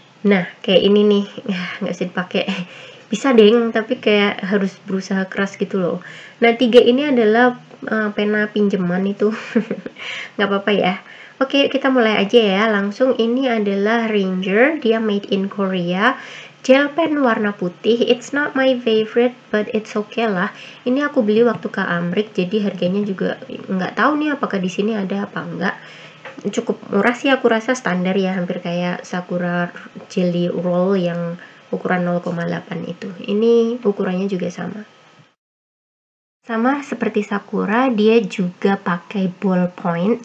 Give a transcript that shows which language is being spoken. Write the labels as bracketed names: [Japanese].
[Indonesian] Nah, kayak ini nih, enggak bisa dipakai. Bisa deng, tapi kayak harus berusaha keras gitu loh. Nah, tiga ini adalah pena pinjaman itu. Nggak apa-apa ya. Oke, kita mulai aja ya. Langsung ini adalah Ranger. Dia [English] made in Korea. [Indonesian] Gel pen warna putih. [English] It's not my favorite, but it's okay lah. [Indonesian] Ini aku beli waktu ke Amrik, jadi harganya juga nggak tahu nih apakah di sini ada apa enggak. Cukup murah sih, aku rasa standar ya. Hampir kayak Sakura Jelly Roll yang ukuran 0,8 itu. Ini ukurannya juga sama. Sama seperti Sakura, dia juga pakai ballpoint.